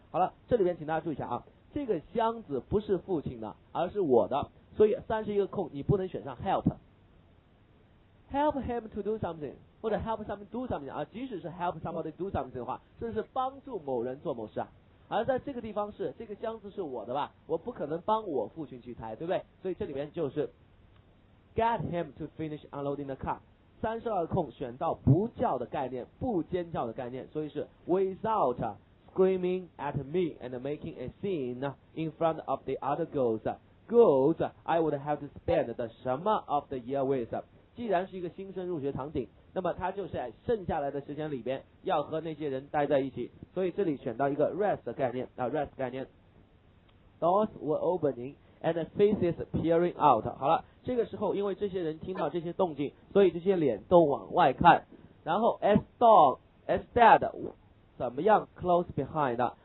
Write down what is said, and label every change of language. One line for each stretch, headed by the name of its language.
Chinese: 好了，这里边请大家注意一下啊，这个箱子不是父亲的，而是我的，所以31个空你不能选上 help。
English: Help him to do something，或者 help somebody do something 啊，即使是 help somebody do something 的话，这是帮助某人做某事啊。
Chinese: 而在这个地方是这个箱子是我的吧，我不可能帮我父亲去抬，对不对？所以这里边就是 get him to finish unloading the car。
English: 32个空选到不叫的概念，不尖叫的概念，所以是 without screaming at me and making a scene in front of the other girls I would have to spend the summer of the year with。
Chinese: 既然是一个新生入学场景，那么他就是在剩下来的时间里边要和那些人待在一起，所以这里选到一个 rest 的概念啊， rest 概念。
English: Doors were opening and faces peering out。
Chinese: 好了，这个时候因为这些人听到这些动静，所以这些脸都往外看，然后 as dad 怎么样 close behind。